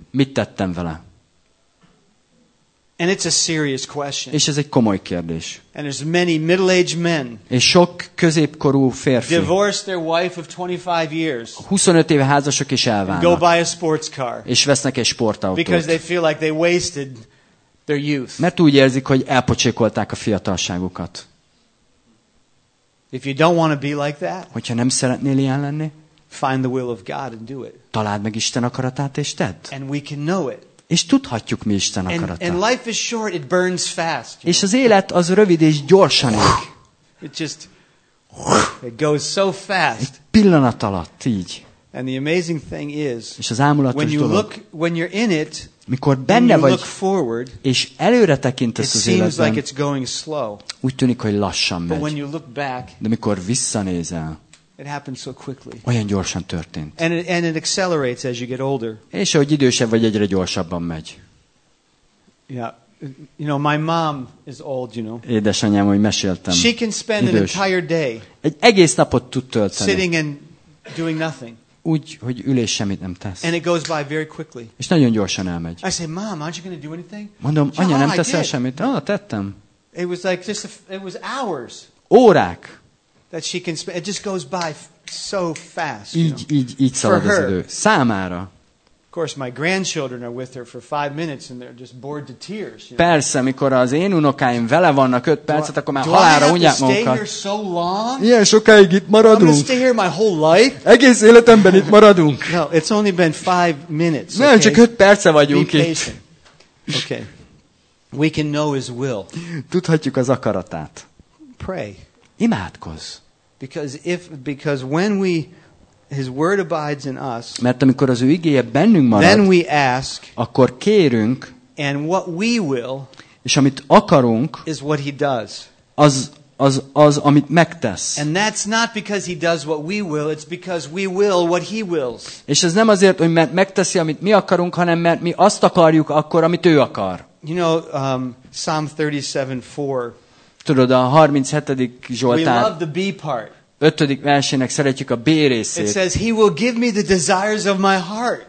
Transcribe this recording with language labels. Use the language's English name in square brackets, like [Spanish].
[Hungarian] Mit tettem vele? [English] And it's a serious question. [Hungarian] És ez egy komoly kérdés. [English] And there's many middle-aged men. [Hungarian] És sok középkorú férfi. [English] Divorce their wife of 25 years. [Hungarian] 25 éve házasok és elválnak. [English] Go buy a sports car. [Hungarian] És vesznek egy sportautót. [English] Because they feel like they wasted their youth. [Hungarian] Mert úgy érzik, hogy elpocsékolták a fiatalságukat. [English] If you don't want to be like that, [Hungarian] hogyha nem szeretnél ilyen lenni, [English] find the will of God and do it. [Hungarian] Találd meg Isten akaratát és tedd. [English] And we can know it. [Hungarian] És tudhatjuk, mi Isten akarata. [English] And life is short, it burns fast, [Hungarian] és az élet az rövid és gyorsan ég. [English] It just it goes so fast. [Hungarian] Egy pillanat alatt így. [English] And the amazing thing is, [Hungarian] és az ámulatos [English] when you [Hungarian] dolog, [English] look, when you're in it, [Hungarian] mikor benne [English] when you [Hungarian] vagy, [English] look forward, [Hungarian] és előre tekintesz az életben, [English] like it's going slow, [Hungarian] úgy tűnik, hogy lassan megy. [English] But when you look back, [Hungarian] de mikor visszanézel, [English] it happens so quickly. [Hungarian] Olyan gyorsan történt. [English] And it accelerates as you get older. [Hungarian] És ahogy idősebb vagy, egyre gyorsabban megy. [English] Yeah. You know, my mom is old, you know. [Hungarian] Édesanyám, hogy meséltem. [English] She can spend [Hungarian] idős. [English] An entire day. [Hungarian] Egy egész napot tud tölteni. [English] Sitting and doing nothing. [Hungarian] Úgy, hogy ülés semmit nem tesz. [English] And it goes by very quickly. [Hungarian] És nagyon gyorsan elmegy. [English] I say, "Mom, aren't you going to do anything?" [Hungarian] Mondom, anya, nem teszel semmit? Ah, tettem. [English] It was like just it was hours. [Hungarian] Órák. [English] That she can spend, it just goes by so fast. [Hungarian] Így szalad az idő. Számára. [English] Of course, my grandchildren are with her for 5 minutes, and they're just bored to tears. You know? [Hungarian] Persze, mikor az én unokáim vele vannak 5 percet, akkor már halálra unják magukat. [English] Do I have to stay here so long? [Hungarian] Ilyen sokáig itt maradunk. [English] I'm gonna stay here my whole life? [Hungarian] Egész életemben itt maradunk. [English] No, it's only been 5 minutes. [Hungarian] Nem, csak 5 perce vagyunk itt. [English] Okay. We can know His will. [Hungarian] Tudhatjuk az akaratát. [English] Pray. [Hungarian] Imádkozz. [English] Because when we His word abides in us, [Hungarian] mert amikor az ő igéje bennünk marad, [English] then we ask, [Hungarian] akkor kérünk, [English] and what we will, [Hungarian] és amit akarunk, [English] is what He does. [Hungarian] Az amit megtesz. [English] And that's not because He does what we will, it's because we will what He wills. [Hungarian] És ez nem azért, hogy mert megteszi, amit mi akarunk, hanem mert mi azt akarjuk akkor, amit ő akar. [English] You know, Psalm 37:4. [Hungarian] Tudod, a 37. Zsoltár. [English] We love the B part. [Hungarian] ötödik versének szeretjük a B részét. [English] It says he will give me the desires of my heart.